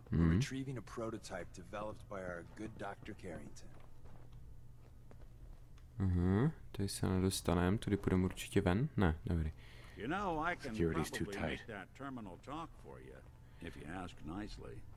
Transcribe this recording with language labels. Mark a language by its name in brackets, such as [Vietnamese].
[English] Retrieving a prototype developed by our good Dr. Carrington. [Czech] Tady se nedostaneme, tady půjdeme určitě ven. Ne, dobrý. [English] You know, I can security's too tight. Make that terminal talk for you, if you ask nicely.